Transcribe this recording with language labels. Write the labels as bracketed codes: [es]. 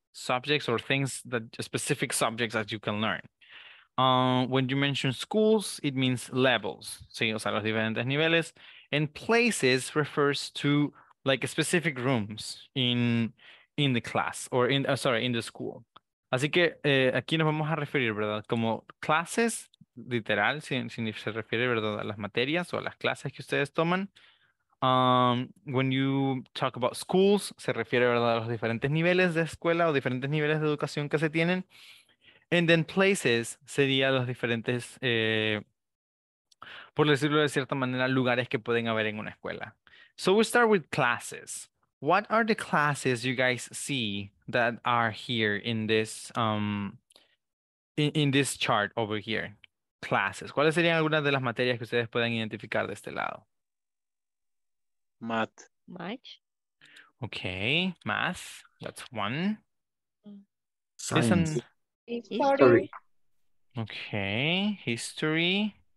[en] Subjects or things that, specific subjects that you can learn. When you mention schools, it means levels, ¿sí? [es] O sea, los diferentes niveles. [en] And places refers to like specific rooms in the class or in the school. [es] Así que aquí nos vamos a referir, ¿verdad? Como clases, literal, si se refiere, ¿verdad?, a las materias o a las clases que ustedes toman. [en] When you talk about schools, [es] se refiere, ¿verdad?, a los diferentes niveles de escuela o diferentes niveles de educación que se tienen. [en] And then places [es] sería los diferentes, por decirlo de cierta manera, lugares que pueden haber en una escuela. [en] So we start with classes. What are the classes you guys see that are here in this chart over here? Classes. [es] ¿Cuáles serían algunas de las materias que ustedes pueden identificar de este lado? [en] Math. Math. Okay, math. That's one. Science. History. Okay, history.